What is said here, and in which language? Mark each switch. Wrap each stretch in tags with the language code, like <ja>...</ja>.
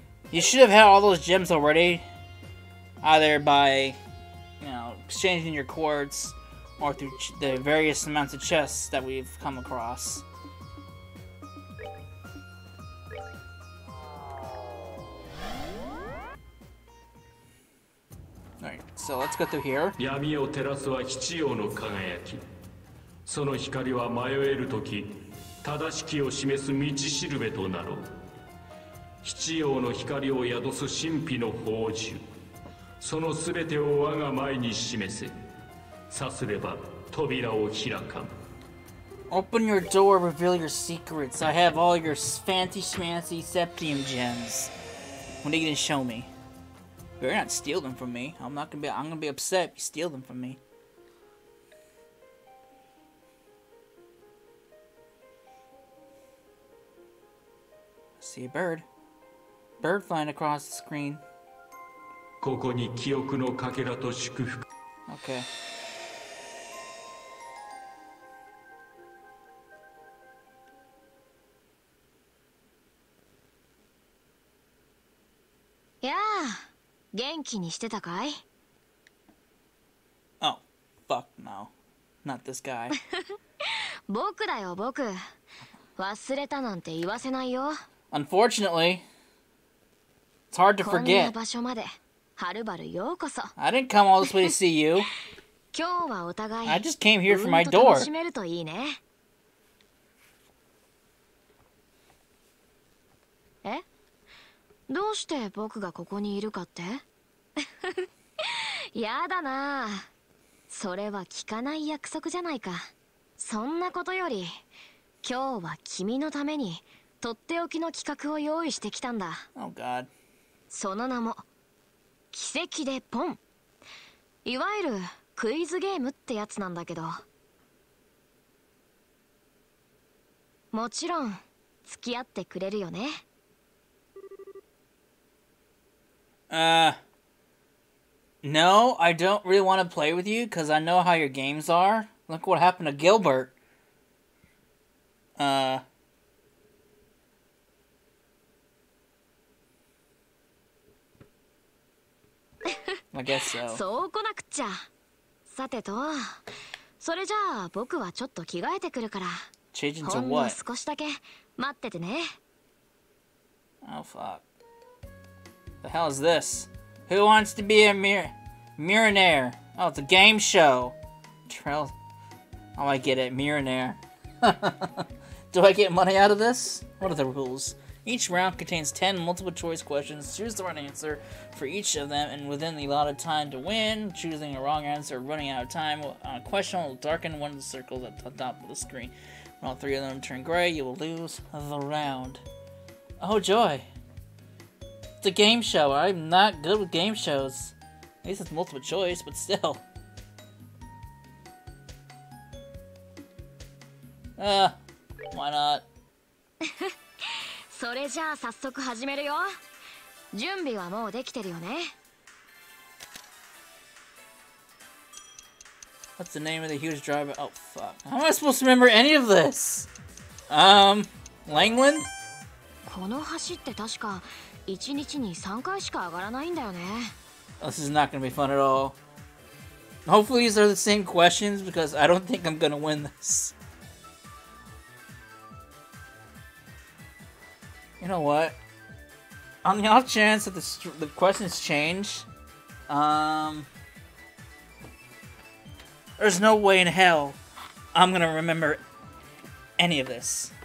<en>You should have had all those gems already, either by, you know, exchanging your quartz, or through the various amounts of chests that we've come across. Alright, so let's go through here.</en> <ja>闇を照らすは七葉の輝き。その光は迷えるとき、正しきを示す道しるべとなろう。七葉の光を宿す神秘の宝珠、そのすべてを我が前に示せ。さすれば扉を開かん。</ja> <en>Open your door, reveal your secrets. I have all your fancy schmancy septium gems. What are you gonna show me? You better not steal them from me. I'm gonna be upset if you steal them from me. I see a bird. Bird flying across the screen.</en> <ja>ここに記憶のかけらと祝福。</ja> <en>Okay.</en> <ja>Yeah. 元気にしてたかい?</ja> <en>Oh, fuck no. Not this guy.</en> <ja>僕だよ、僕。忘れたなんて言わせないよ。</ja> <en>Unfortunately. It's hard to forget.</en> <ja>こんな場所まで、はるばるようこそ。</ja> <en>I didn't come all this way to see you.</en> <ja>今日はお互い、</ja> <en>I just came here for my door.</en> <ja>楽しめるといいね。え? どうして僕がここにいるかって? やだな。それは聞かない約束じゃないか。そんなことより、今日は君のために、とっておきの企画を用意してきたんだ。</ja> <en>Oh God.</en> <ja>その名も奇跡でポン、いわゆるクイズゲームってやつなんだけど、もちろん付き合ってくれるよね。</ja> <en>No, I don't really want to play with you because I know how your games are. Look what happened to Gilbert. I guess so.</en> <ja>そう来なくちゃ。さてと、それじゃあ僕はちょっと着替えてくるから。</ja> <en>Changing to what?</en> <ja>ほんの少しだけ待っててね。</ja> <en>Oh fuck. The hell is this? Who wants to be a millionaire? Oh, it's a game show. Trail. Oh, I get it. Millionaire. Do I get money out of this? What are the rules? Each round contains 10 multiple choice questions. Choose the right answer for each of them, and within the allotted time to win, choosing a wrong answer or running out of time, a question will darken one of the circles at the top of the screen. When all three of them turn gray, you will lose the round. Oh, joy. It's a game show. I'm not good with game shows. At least it's multiple choice, but still. Why not?</en> <ja>それじゃあ早速始めるよ。準備はもうできてるよね。</ja> <en>What's the name of the huge driver? Oh, fuck. How am I supposed to remember any of this? Langland?</en> <ja>この橋って確か1日に3回しか上がらないんだよね。</ja> <en>This is not gonna be fun at all. Hopefully these are the same questions because I don't think I'm gonna win this. You know what? On the off chance that the questions change, there's no way in hell I'm gonna remember any of this.</en>